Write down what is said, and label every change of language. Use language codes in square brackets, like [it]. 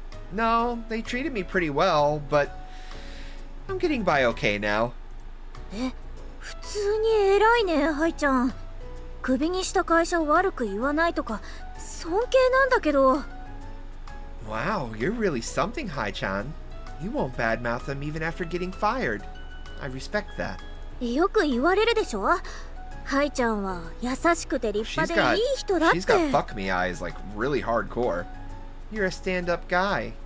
[en] No, they treated me pretty well, but I'm getting by okay now. [ja] え、普通に偉いね、ハイちゃん。クビにした会社悪く言わないとか尊敬なんだけど。 [en] Wow, you're really something, Hai-chan. You won't badmouth him even after getting fired. I respect that. She's got fuck me eyes, like really hardcore. You're a stand-up guy.